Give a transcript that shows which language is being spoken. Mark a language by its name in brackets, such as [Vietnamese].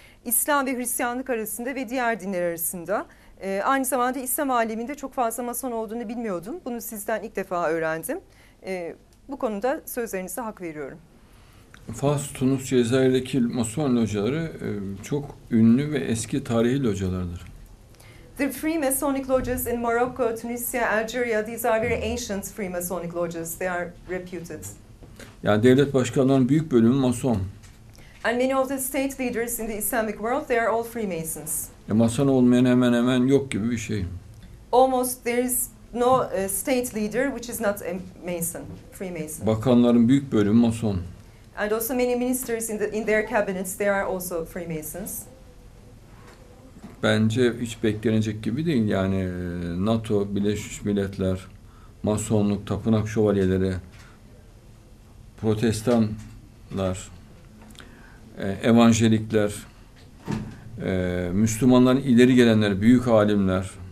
[Turkish] İslam ve Hristiyanlık arasında ve diğer dinler arasında. Aynı zamanda İslam aleminde çok fazla Mason olduğunu bilmiyordum. Bunu sizden ilk defa öğrendim. Bu konuda sözlerinize hak veriyorum. Fas, Tunus, Cezayir'deki Mason locaları çok ünlü ve eski tarihi localardır. [English] The Freemasonic lodges in Morocco, Tunisia, Algeria, these are very ancient Freemasonic lodges. They are reputed. [Turkish] Yani devlet başkanlarının büyük bölümü Mason. [English] And many of the state leaders in the Islamic world, they are all Freemasons. [Turkish] Ya Mason olmayan hemen hemen yok gibi bir şey. [English] Almost there is no state leader which is not a Mason, Freemason. [Turkish] Bakanların büyük bölümü Mason. [English] And also many ministers in their cabinets, they are also Freemasons. [Turkish] Bence hiç beklenecek gibi değil. Yani NATO, Birleşmiş Milletler, Masonluk, Tapınak Şövalyeleri, Protestanlar, Evanjelikler, Müslümanların ileri gelenleri, büyük alimler